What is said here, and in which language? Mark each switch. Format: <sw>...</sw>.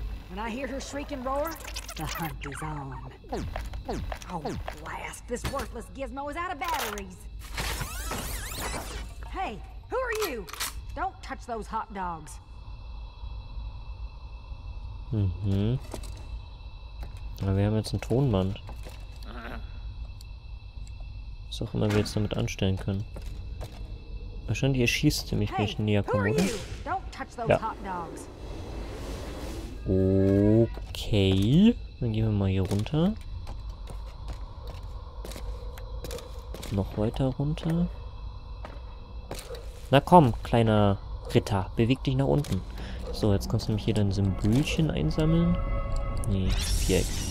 <en>When I hear her shriek and roar, the hunt is on. Oh, blast. This worthless gizmo is out of batteries. Hey, who are you? Don't touch those hot dogs. Mhm.</en> <de>Aber wir haben jetzt einen Tonband. Was auch immer wir jetzt damit anstellen können. Wahrscheinlich erschießt sie mich nicht näher kommen, oder?</de> <en>Don't touch those hot dogs.</en> <de>Okay, dann gehen wir mal hier runter. Noch weiter runter. Na komm, kleiner Ritter, beweg dich nach unten. So, jetzt kannst du nämlich hier dein Symbolchen einsammeln. Nee, Viereck.</de>